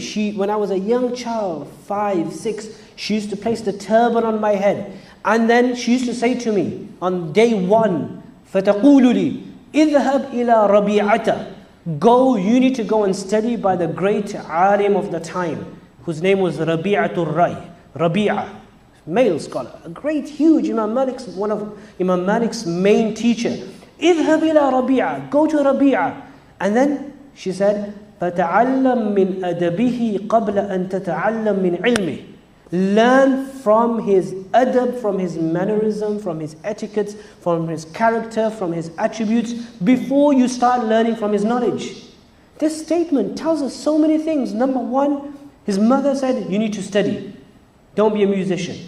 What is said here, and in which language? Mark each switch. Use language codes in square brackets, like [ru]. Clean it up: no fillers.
[en] She, when I was a young child, 5, 6, she used to place the turban on my head, and then she used to say to me on day one, [ar] فَتَقُولُ لِي اذهب إلى ربيعتا. [en] Go, you need to go and study by the great alim of the time, whose name was Rabi'atul Ray. Rabi'a, male scholar, a great, huge Imam Malik's, one of Imam Malik's main teacher. [ar] اذهب إلى [en] Rabi'a, go to Rabi'a. And then she said, [ar] فتعلم من أدبه قبل أن تتعلم من علمه. [en] Learn from his adab, from his mannerism, from his etiquettes, from his character, from his attributes, before you start learning from his knowledge. This statement tells us so many things. Number one, his mother said, you need to study. Don't be a musician.